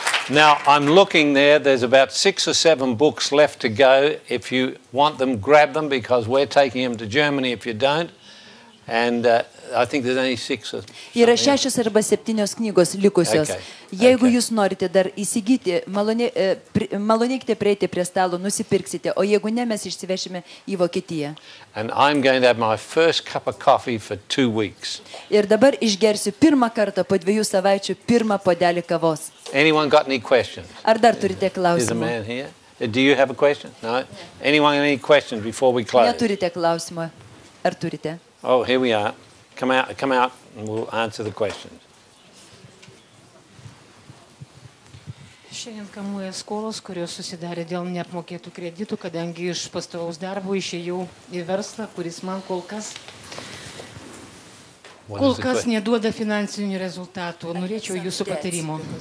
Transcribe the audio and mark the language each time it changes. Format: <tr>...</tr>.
<en>Now, I'm looking there. There's about 6 or 7 books left to go. If you want them, grab them, because we're taking them to Germany if you don't. And I think there's only 6 or something.</en> <lt>Yra 6 arba 7 knygos likusios.</lt> <en>Okay.</en> <lt>Jeigu</lt> <en>okay.</en> <lt>Jūs norite dar įsigyti, malonėkite prieiti prie stalo, nusipirksite. O jeigu ne, mes išsivešime į Vokietiją.</lt> <en>And I'm going to have my first cup of coffee for 2 weeks.</en> <lt>Ir dabar išgersiu pirmą kartą po 2 savaičių pirmą puodelį kavos.</lt> <en>Anyone got any questions?</en> <lt>Ar dar turite klausimų?</lt> <en>Is a man here? Do you have a question? No? Anyone any questions before we close?</en> <lt>Neturite klausimų? Ar turite?</lt> <en>Oh, here we are. Come out, and we'll answer the questions.</en> <lt>Šiandien kamuoja skolos, kurios susidarė dėl neapmokėtų kreditų, kadangi iš pastovaus darbo išėjau į verslą, kuris man kol kas neduoda finansinių rezultatų. Norėčiau jūsų patarimo.</lt>